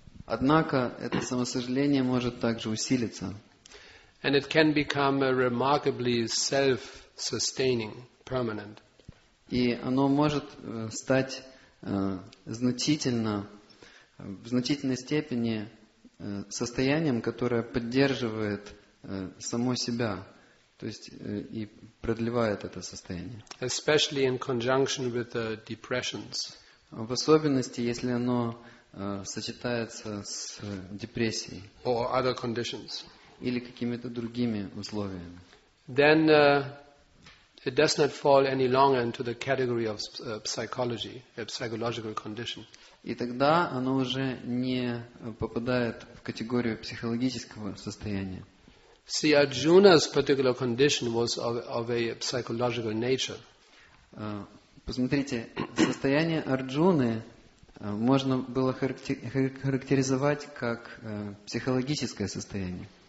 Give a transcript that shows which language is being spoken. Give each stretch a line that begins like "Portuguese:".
Russian: Однако это самосожаление может также усилиться.
English: And it can become a remarkably self-sustaining, permanent.
Russian: И оно может стать значительно, в значительной степени состоянием, которое поддерживает само себя, то есть и продлевает это состояние.
English: Especially in conjunction with the depressions.
Russian: В особенности, если оно сочетается с депрессией.
English: Or other conditions.
Russian: Или какими-то другими условиями.
English: Then it does not fall any longer into the category of psychology, a psychological condition.
Russian: И тогда оно уже не попадает в категорию психологического состояния.
English: See, Arjuna's particular condition was of a psychological nature.
Russian: Посмотрите, состояние Арджуны можно было характеризовать как психологическое состояние.